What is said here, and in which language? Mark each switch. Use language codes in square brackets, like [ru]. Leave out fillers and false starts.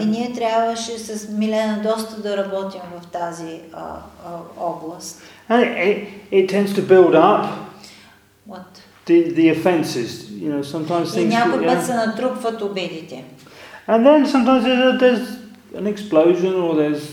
[bg] И ние трябваше с Милена доста да работим в тази област. [en] And it tends to build up. What? The offenses, you know, sometimes things. [bg] И някой път се натрупват обидите. [en] And then sometimes there's an explosion or there's.